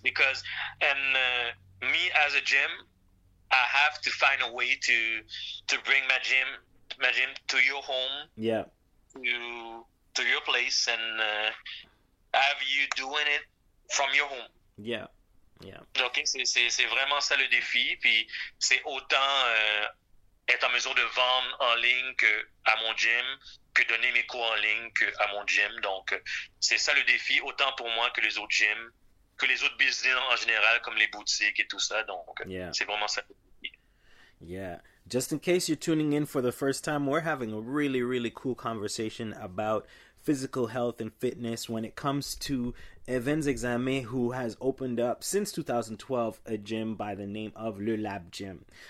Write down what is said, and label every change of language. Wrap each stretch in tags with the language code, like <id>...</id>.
<en>Because me as a gym, I have to find a way to bring my gym to your home. Yeah. To your place and have you doing it from your home. Yeah.</en> <fr>Okay, c'est vraiment ça le défi. Puis c'est autant être en mesure de vendre en ligne que à mon gym, que donner mes cours en ligne que à mon gym. Donc c'est ça le défi, autant pour moi que les autres gyms, que les autres business en général, comme les boutiques et tout ça. Donc c'est vraiment ça.</fr> <en>Yeah. Just in case you're tuning in for the first time, we're having a really, really cool conversation about physical health and fitness when it comes to Evans Examé, who has opened up since 2012 a gym by the name of Le Lab Gym.</en>